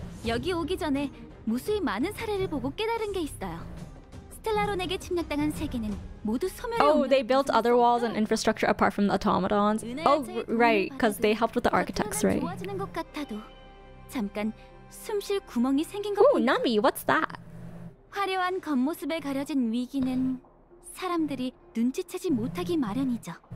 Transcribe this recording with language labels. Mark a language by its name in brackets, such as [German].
[Korean] 여기 오기 전에 무수히 많은 사례를 보고 깨달은 게 있어요. 스텔라론에게 침략당한 세계는 모두 소멸. [English] Oh, they built other walls and infrastructure apart from the automatons. Oh, right, because they helped with the architects, right? [Korean] 좋아지는 것 같아도 잠깐 숨쉴 구멍이 생긴 것. [English] Oh, Numby, what's that? [Korean] 화려한 겉모습에 가려진 위기는 사람들이 눈치채지 못하기 마련이죠.